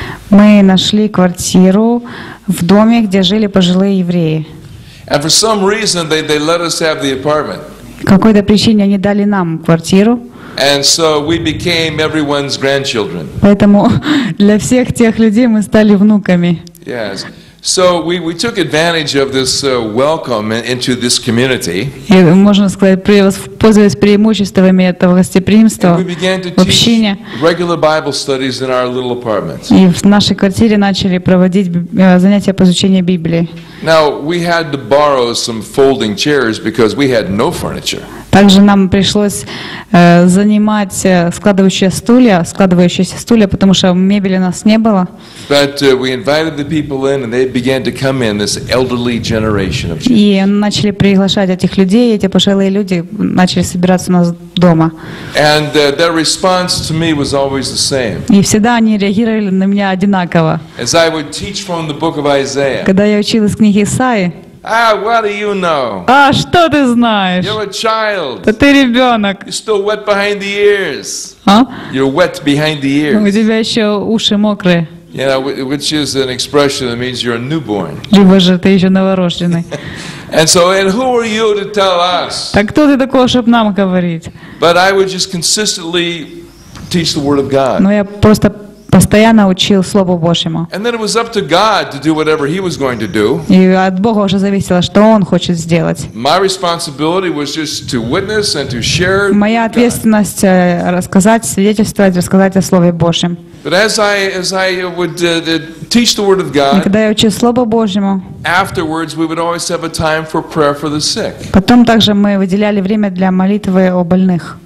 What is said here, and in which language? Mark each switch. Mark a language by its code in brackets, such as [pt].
[ru] Мы нашли квартиру в доме, где жили пожилые евреи. [en] And for some reason they let us have the apartment. [ru] Какой-то причине они дали нам квартиру. [en] And so we became everyone's grandchildren. [ru] Поэтому для всех тех людей мы стали внуками. [en] Yes. So we took advantage of this welcome into this community. [ru] И можно сказать, пользуясь преимуществами этого гостеприимства в общине, [en] regular Bible studies in our little apartment. [ru] И в нашей квартире начали проводить занятия по изучению Библии. [en] Now we had to borrow some folding chairs because we had no furniture. [ru] Также нам пришлось занимать складывающиеся стулья, потому что мебели у нас не было. [en] But we invited the people in, and they began to come in, this elderly generation of Jews. [ru] И начали приглашать этих людей, эти пожилые люди начали собираться у нас дома. [en] And their response to me was always the same. [ru] И всегда они реагировали на меня одинаково. [en] As I would teach from the book of Isaiah. [ru] Когда я учил из книги Исаии. [en] Ah, what do you know? [ru] А что ты знаешь? [en] You're a child. [ru] Да ты ребенок. [en] You're still wet behind the ears. А? You're wet behind the ears. [ru] У тебя еще уши мокрые. [en] Yeah, which is an expression that means you're a newborn. [ru] Либо же ты еще новорожденный. [en] And who are you to tell us? [ru] Так кто ты такой, чтобы нам говорить? [en] But I would just consistently teach the word of God. [ru] Но я просто постоянно учил Слову Божьему. [en] And then it was up to God to do whatever He was going to do. [ru] И от Бога уже зависело, что Он хочет сделать. [en] My responsibility was just to witness and to share. [ru] Моя ответственность рассказать, свидетельствовать, рассказать о Слове Божьем. [en] But as I would teach the word of God. [ru] И когда я учил Слово Божьему. [en] Afterwards, we would always have a time for prayer for the sick. [ru] Потом также мы выделяли время для молитвы о больных.